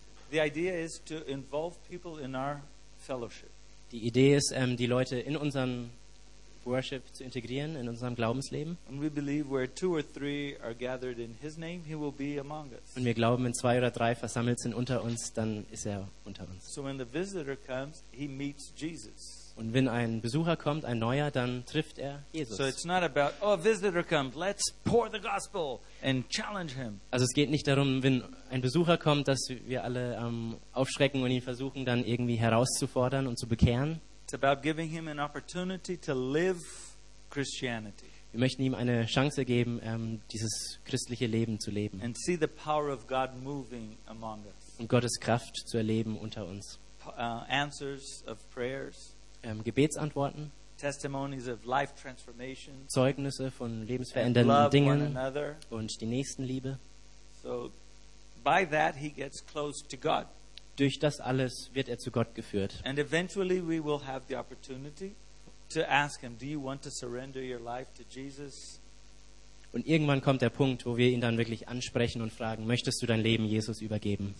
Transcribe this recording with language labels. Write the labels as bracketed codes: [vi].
[en] The idea is to involve people in our fellowship. [de] Die Idee ist, die Leute in unseren Worship zu integrieren, in unserem Glaubensleben. [en] And we believe where two or three are gathered in His name, He will be among us. [de] Und wir glauben, wenn zwei oder drei versammelt sind unter uns, dann ist er unter uns. [en] So when the visitor comes, he meets Jesus. [de] Und wenn ein Besucher kommt, ein Neuer, dann trifft er Jesus. [en] So it's not about, oh, a visitor comes, let's pour the gospel and challenge him. [de] Also es geht nicht darum, wenn ein Besucher kommt, dass wir alle aufschrecken und ihn versuchen, dann irgendwie herauszufordern und zu bekehren. [en] It's about giving him an opportunity to live Christianity. [de] Wir möchten ihm eine Chance geben, dieses christliche Leben zu leben. [en] And see the power of God moving among us. [de] Und Gottes Kraft zu erleben unter uns. [en] Answers of prayers. [de] Gebetsantworten, [en] Testimonies of life transformation, [de] Zeugnisse von lebensverändernden Dingen und die Nächstenliebe. [en] So, by that he gets close to God. [de] Durch das alles wird er zu Gott geführt. [en] And eventually we will have the opportunity to ask him, do you want to surrender your life to Jesus? [de] Und irgendwann kommt der Punkt, wo wir ihn dann wirklich ansprechen und fragen, möchtest du dein Leben Jesus übergeben?